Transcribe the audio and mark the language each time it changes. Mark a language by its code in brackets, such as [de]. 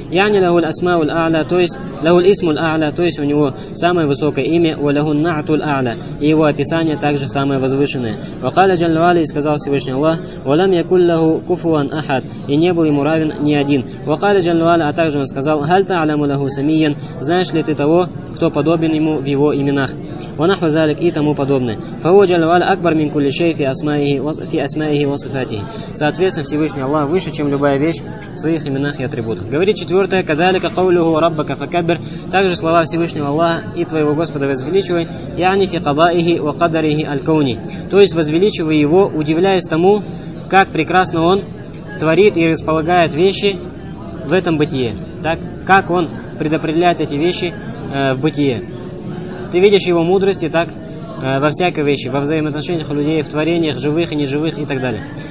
[ar] Яни лагуль асмауль а'ля, [ru] то есть [ar] лагуль исмуль а'ля, [ru] то есть у него самое высокое имя, [ar] ва лагуль на'туль а'ля, [ru] и его описание также самое возвышенное. [ar] Ва каля джалла ва аля, [ru] и сказал Всевышний Аллах, [ar] ва лам якуль лаху куфуан ахад, [ru] и не был ему равен ни один. [ar] Ва каля джалла ва аля, [ru] а также он сказал, [ar] халь та'ламу лаху самиян, [ru] знаешь ли ты того, кто подобен ему в его именах. [ar] ونحو ذلك [ru] и тому подобное. [ar] فهو جل وعلا أكبر من كل شيء في أسمائه وصفاته. [ru] Соответственно, Всевышний Аллах выше, чем любая вещь в своих именах и атрибутах. Говорит четвертое, [ar] كذلك قوله ربك فكبر. [ru] Также слова Всевышнего Аллаха и твоего Господа возвеличивай. [ar] يعني في قضائه وقدره الكون. [ru] То есть возвеличивай его, удивляясь тому, как прекрасно он творит и располагает вещи в этом бытие. Так как он предопределяет эти вещи в бытие. Ты видишь его мудрость и так во всякой вещи, во взаимоотношениях людей, в творениях живых и неживых и так далее.